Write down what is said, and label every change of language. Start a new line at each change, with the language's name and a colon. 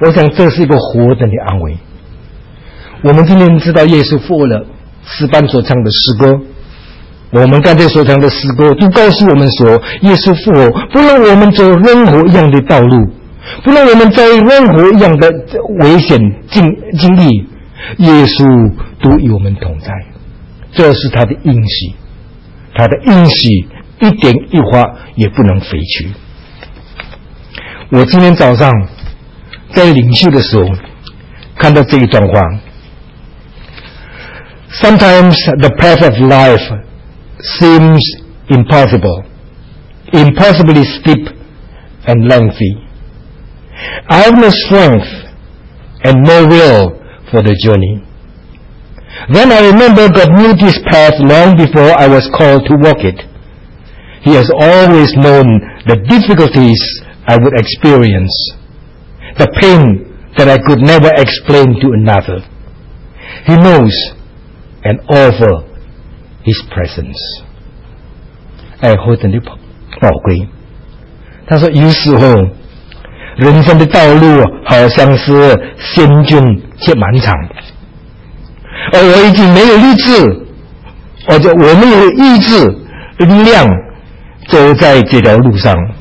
Chinese: 我想这是一个活着的安慰。我们今天知道耶稣复活了，诗班所唱的诗歌，我们刚才所唱的诗歌都告诉我们说，耶稣复活，不论我们走任何一样的道路，不论我们在任何一样的危险经历，耶稣都与我们同在。这是他的应许，他的应许一点一花也不能废去。我今天早上在领袖的时候看到这一段话，
English: Sometimes the path of life seems impossible, impossibly steep and lengthy. I have no strength and no will for the journey. Then I remember God knew this path long before I was called to walk it. He has always known the difficulties I would experience, the pain that I could never explain to another. He knows and offers His presence.
Chinese: 哎，何等的宝贵！他说，有时候人生的道路好像是险峻且漫长，而我已经没有力志，或者我没有意志力量走在这条路上。